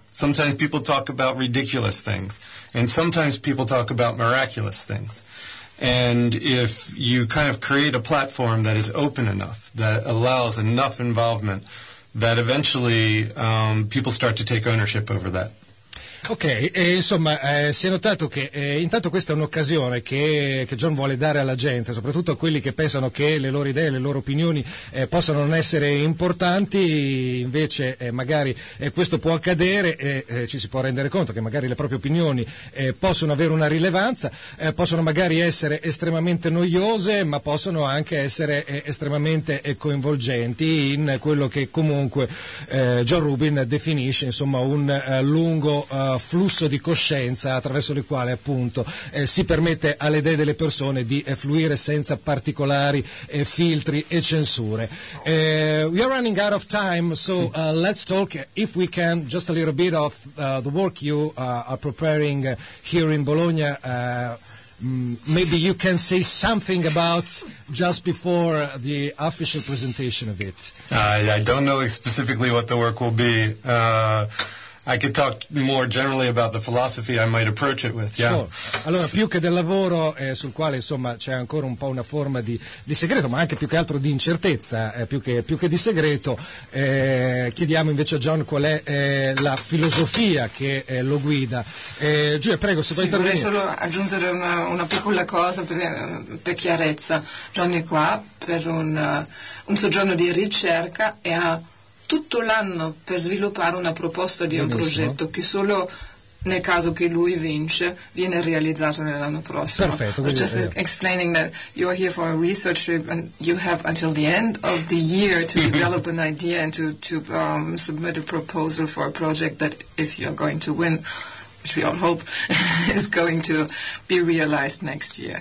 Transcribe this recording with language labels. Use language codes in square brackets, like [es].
[en] Sometimes people talk about ridiculous things, and sometimes people talk about miraculous things. And if you kind of create a platform that is open enough, that allows enough involvement, that eventually people start to take ownership over that. [it] Ok, insomma, si è notato che intanto questa è un'occasione che John vuole dare alla gente, soprattutto a quelli che pensano che le loro idee, le loro opinioni possano non essere importanti, invece magari questo può accadere e ci si può rendere conto che magari le proprie opinioni possono avere una rilevanza, possono magari essere estremamente noiose, ma possono anche essere estremamente coinvolgenti in quello che comunque John Rubin definisce insomma un lungo flusso di coscienza attraverso il quale appunto si permette alle idee delle persone di fluire senza particolari filtri e censure. [en] We are running out of time, so [it] sì. [en] Let's talk if we can just a little bit of the work you are preparing here in Bologna. Maybe you can say something about just before the official presentation of it. I don't know specifically what the work will be. I could talk more generally about the philosophy I might approach it with. Yeah. Sure. [it] Allora, più che del lavoro sul quale insomma c'è ancora un po' una forma di segreto, ma anche più che altro di incertezza, più che di segreto, chiediamo invece a John qual è la filosofia che lo guida. Giulia, prego, se vuoi intervenire. Vorrei solo aggiungere una piccola cosa per chiarezza. John è qua per un soggiorno di ricerca e ha tutto l'anno per sviluppare una proposta di un progetto che solo nel caso che lui vince viene realizzato nell'anno prossimo. Perfetto, quindi, [en] just explaining that you are here for a research trip and you have until the end of the year to develop an idea and to submit a proposal for a project that if you're going to win, which we all hope is going to be realized next year.